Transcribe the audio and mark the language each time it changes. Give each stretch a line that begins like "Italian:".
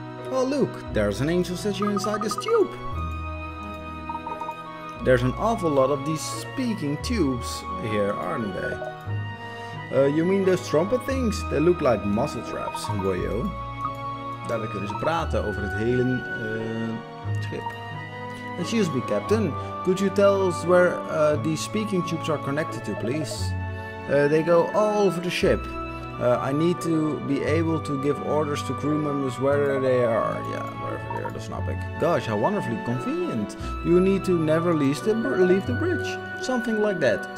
English: Oh, look, there's an angel statue inside this tube. There's an awful lot of these speaking tubes here, aren't they? You mean those trumpet things? They look like muscle traps, boyo.
Dutch: Daarbij kunnen ze praten over het hele schip.
English: Excuse me, Captain. Could you tell us where these speaking tubes are connected to, please? They go all over the ship. I need to be able to give orders to crew members wherever they are. Yeah, wherever they are, the snapping. Gosh, how wonderfully convenient. You need to never leave the bridge. Something like that.